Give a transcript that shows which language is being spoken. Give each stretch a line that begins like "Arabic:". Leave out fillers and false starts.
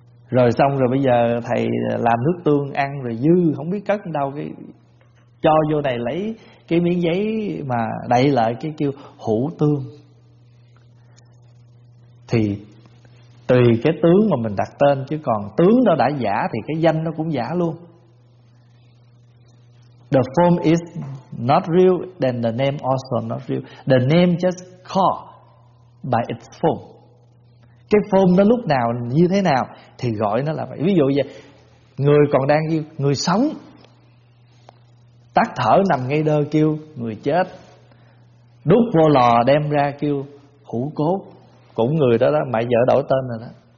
Vietnamese: Rồi xong rồi bây giờ thầy làm nước tương ăn rồi dư không biết cất đâu, cái cho vô này lấy cái miếng giấy mà đậy lại cái kêu hũ tương. Thì tùy cái tướng mà mình đặt tên, chứ còn tướng nó đã giả thì cái danh nó cũng giả luôn.
English: The form is not real, then the name also not real. The name just called by its form.
Vietnamese: Cái form nó lúc nào như thế nào thì gọi nó là vậy. Ví dụ vậy, người còn đang kêu người sống, tắt thở nằm ngay đơ kêu người chết, đút vô lò đem ra kêu hủ cốt, cũng người đó đó, mãi giờ đổi tên rồi đó.